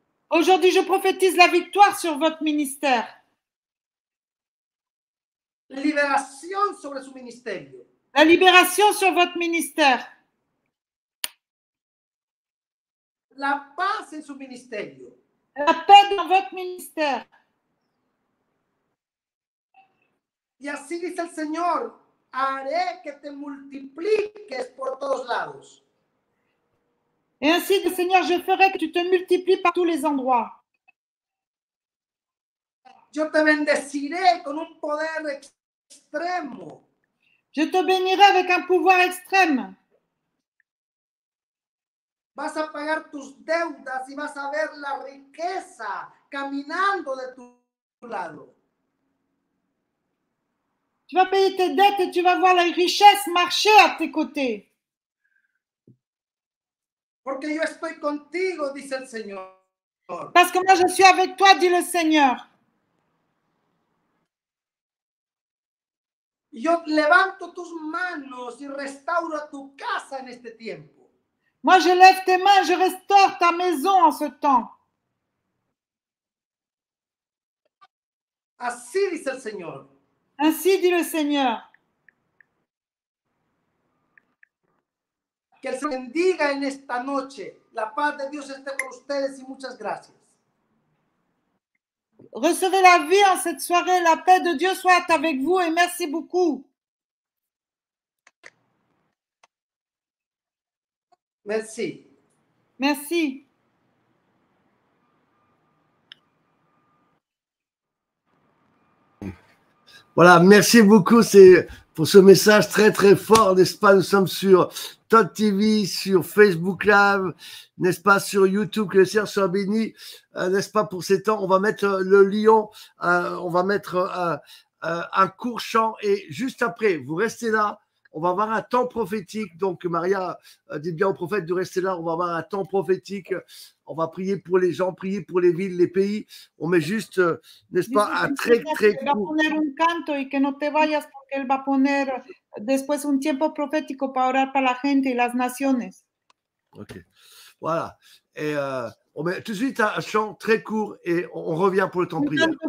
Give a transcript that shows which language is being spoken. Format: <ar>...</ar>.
<fr>Aujourd'hui, je prophétise la victoire sur votre ministère.</fr> <es>Liberación sobre su ministerio.</es> <fr>La libération sur votre ministère.</fr> <es>La paz en su ministerio.</es> <fr>La paix dans votre ministère.</fr> <es>Y así dice el Señor, haré que te multipliques por todos lados.</es> <fr>Et ainsi, Seigneur, je ferai que tu te multiplies par tous les endroits. Je te</fr> <es>bendecirai con un poder extremo.</es> <fr>Je te bénirai avec un pouvoir extrême.</fr> <es>Vas a pagar tus deudas y vas a ver la riqueza caminando de tu lado.</es> <fr>Tu vas payer tes dettes et tu vas voir la richesse marcher à tes côtés.</fr> <es>Porque yo estoy contigo, dice el Señor.</es> <fr>Parce que moi je suis avec toi, dit le Seigneur.</fr> <es>Yo levanto tus manos y restauro tu casa en este tiempo.</es> <fr>Moi je lève tes mains, je restaure ta maison en ce temps.</fr> <es>Así dice el Señor.</es> <fr>Ainsi dit le Seigneur.</fr> <es>Que el Señor bendiga en esta noche. La paz de Dios esté con ustedes y muchas gracias.</es> <fr>Recevez la vie en cette soirée. La paix de Dieu soit avec vous et merci beaucoup. Merci. Merci. Voilà, merci beaucoup pour ce message très très fort, n'est-ce pas? Nous sommes sur Todd TV, sur Facebook Live, n'est-ce pas? Sur YouTube, que le Seigneur soit béni, n'est-ce pas? Pour ces temps, on va mettre le lion, on va mettre un court chant et juste après, vous restez là, on va avoir un temps prophétique. Donc Maria, dit bien au prophète de rester là, on va avoir un temps prophétique. On va prier pour les gens, prier pour les villes, les pays. On met juste, n'est-ce pas, un très, très court.</fr> <es>Il va poner un canto y que no te vayas porque él va poner después un tiempo profético para orar para la gente y las naciones.</es> <fr>Ok, voilà. Et on met tout de suite un chant très court et on revient pour le temps prière.</fr> <es>Un canto</es>